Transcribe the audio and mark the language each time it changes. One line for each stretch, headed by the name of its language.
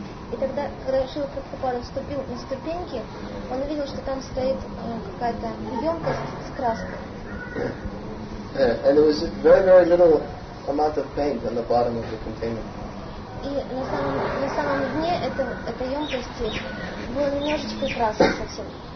Russian: И тогда, когда Шрила Прабхупада вступил на ступеньки, он увидел, что там стоит какая-то емкость с краской.
English: And it was very, very little amount of paint on the bottom of the container.
Russian: И на самом дне этой емкости было немножечко краски совсем.